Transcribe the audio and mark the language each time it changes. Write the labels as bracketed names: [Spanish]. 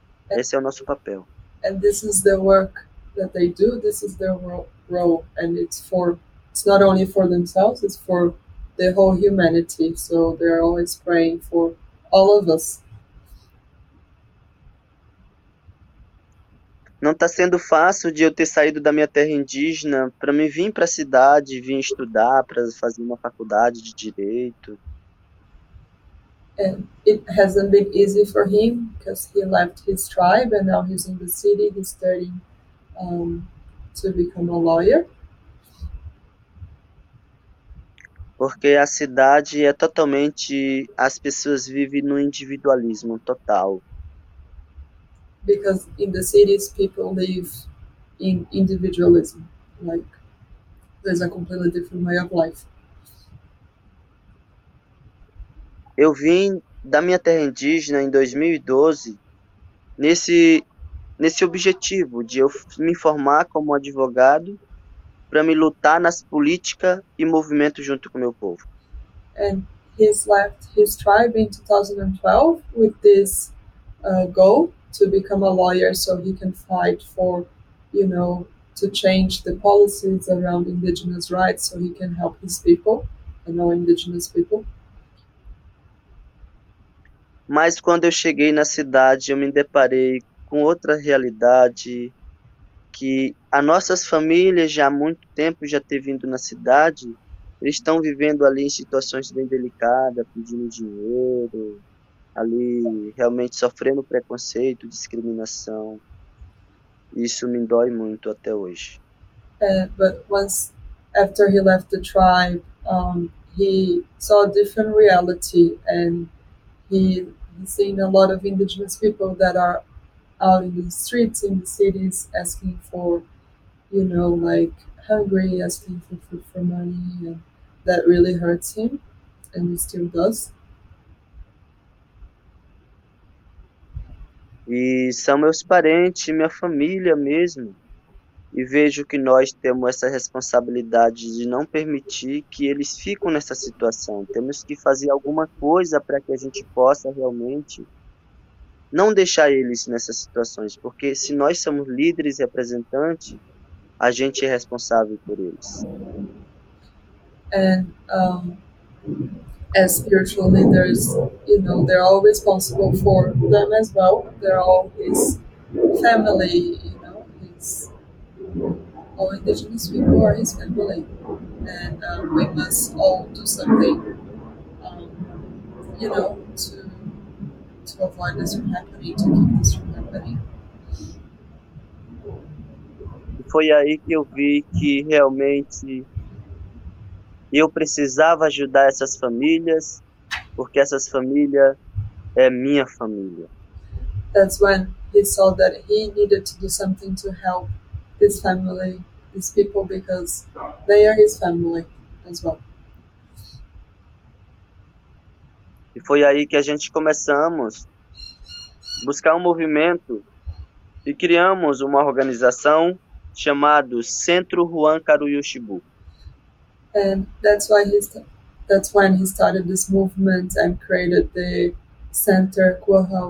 [Portuguese] Esse é o nosso papel. [English] And this is the work that they do, this is their role, and it's not only for themselves, it's for the whole humanity, so they're always praying for all of us. [Portuguese] Não está sendo fácil de eu ter saído da minha terra indígena para me vir para a cidade, vir estudar, para fazer uma faculdade de direito. [English] And it hasn't been easy for him because he left his tribe and now he's in the city, he's studying to become a lawyer. [Portuguese] Porque a cidade é totalmente, as pessoas vivem no individualismo total. [English] Because in the cities, people live in individualism. Like, there's a completely different way of life. [Portuguese] Eu vim da minha terra indígena em 2012 nesse objetivo de eu me formar como advogado para me lutar nas políticas e movimento junto com o meu povo. [English] And he's left his tribe in 2012 with this goal to become a lawyer so he can fight for, you know, to change the policies around indigenous rights so he can help his people, you know, indigenous people. [Portuguese] Mas quando eu cheguei na cidade, eu me deparei com outra realidade, que as nossas famílias já há muito tempo já ter vindo na cidade, eles estão vivendo ali em situações bem delicadas, pedindo dinheiro, ali realmente sofrendo preconceito, discriminação. Isso me dói muito até hoje. [English] But once, after he left the tribe, he saw a different reality and he's seen a lot of indigenous people that are out in the streets, in the cities, asking for, you know, like hungry, asking for food, for money, and that really hurts him, and it still does. [Portuguese] E são meus parentes, minha família mesmo. E vejo que nós temos essa responsabilidade de não permitir que eles fiquem nessa situação. Temos que fazer alguma coisa para que a gente possa realmente não deixar eles nessas situações. Porque se nós somos líderes e representantes, a gente é responsável por eles. [English] And, as spiritual leaders, you know, they're all responsible for them as well. They're all his family, you know, his, all indigenous people are his family. And we must all do something, you know, to avoid this from happening, to keep this from happening. [Portuguese] Foi aí que eu vi que realmente eu precisava ajudar essas famílias, porque essas famílias é minha família. [English] That's when he saw that he needed to do something to help this family, these people, because they are his family as well. [Portuguese] E foi aí que a gente começamos a buscar um movimento e criamos uma organização chamada Centro Juan Caruyuxibu. [English] And that's why that's when he started this movement and created the center Juan